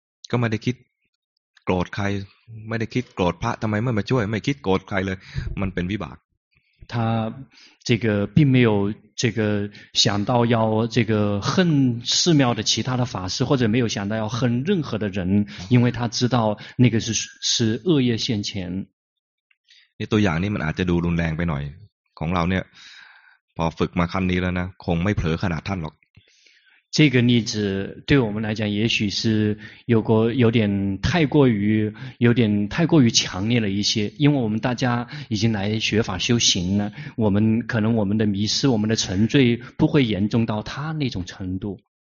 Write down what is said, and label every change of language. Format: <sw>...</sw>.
<th>ก็ไม่ได้คิดโกรธใครไม่ได้คิดโกรธพระทำไมไม่มาช่วยไม่คิดโกรธใครเลยมันเป็นวิบาก</th> <zh>他这个并没有这个想到要这个恨寺庙的其他的法师，或者没有想到要恨任何的人，因为他知道那个是恶业现前。</zh> <th>那ตัวอย่างนี้มันอาจจะดูรุนแรงไปหน่อยของเราเนี่ยพอฝึกมาขั้นนี้แล้วนะคงไม่เผลอขนาดท่านหรอก</th> <zh>这个例子对我们来讲，也许是有点太过于强烈了一些，因为我们大家已经来学法修行了，我们可能我们的迷失、我们的沉醉不会严重到他那种程度。</zh>